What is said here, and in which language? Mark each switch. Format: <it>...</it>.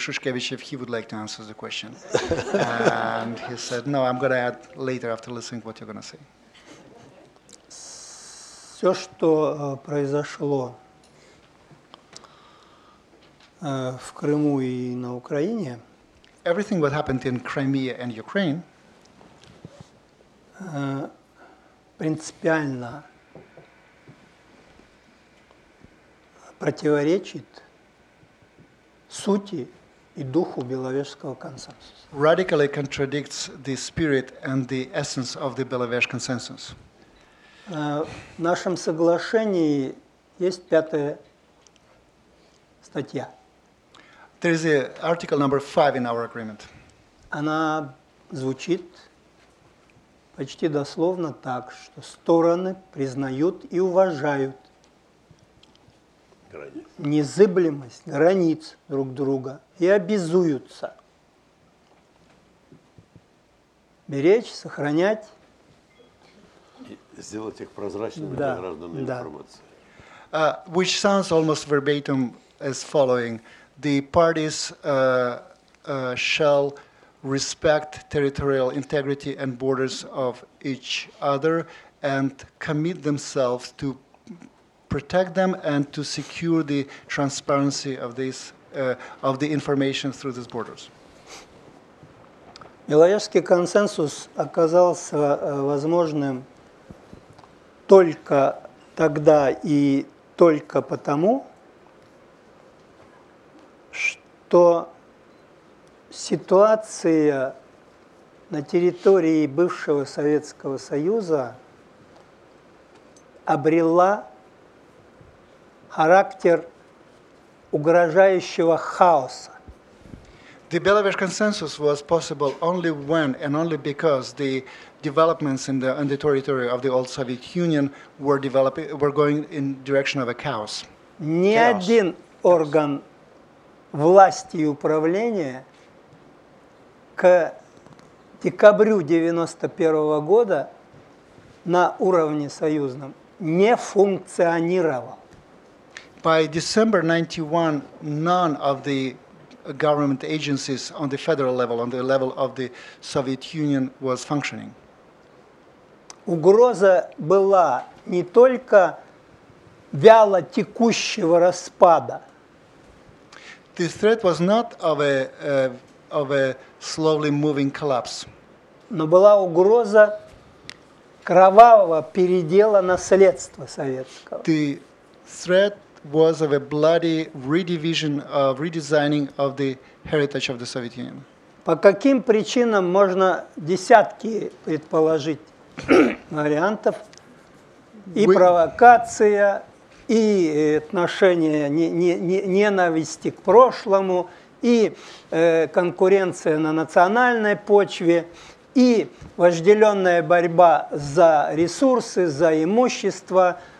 <en>Shushkevich, if he would like to answer the question. And he said, no, I'm going to add later after listening what you're going to say.</en> <ru>Все, что произошло в Крыму и на Украине,</ru> <en>everything that happened in Crimea and Ukraine,</en> <ru>принципиально противоречит сути и духу Беловежского консенсуса.</ru> <en>Radically contradicts the spirit and the essence of the Belovezh consensus.</en> <ru>В нашем соглашении есть пятая статья.</ru> <en>There is a article number 5 in our agreement.</en> <ru>Она звучит почти дословно так, что стороны признают и уважают незыблемость границ друг друга и обязуются беречь, сохранять, сделать их прозрачными для граждан информации.</ru> <en>Which sounds almost verbatim as following. The parties shall respect territorial integrity and borders of each other and commit themselves to protect them and to secure the transparency of this of the information through these borders.</en> <ru>Беловежский консенсус оказался возможным только тогда и только потому, что ситуация на территории бывшего Советского Союза обрела характер угрожающего хаоса.</ru> <en>The Belarus consensus was possible only when and only because the developments in the territory of the old Soviet Union were developing, were going in direction of a chaos.</en> <ru>Ни один орган власти и управления к декабрю 91 года на уровне союзном не функционировал.</ru> <en>By December 91, none of the government agencies on the federal level, on the level of the Soviet Union, was functioning.</en> <ru>Угроза была не только вяло текущего распада.</ru> <en>The threat was not of a slowly moving collapse.</en> <ru>Но была угроза кровавого передела наследства советского.</ru> <en>The threat was of a bloody redivision of redesigning of the heritage of the Soviet Union.</en> <ru>По каким причинам можно десятки предположить вариантов и провокация, и отношение ненависти к прошлому, и конкуренция на национальной почве, и вожделенная борьба за ресурсы, за имущество.</ru>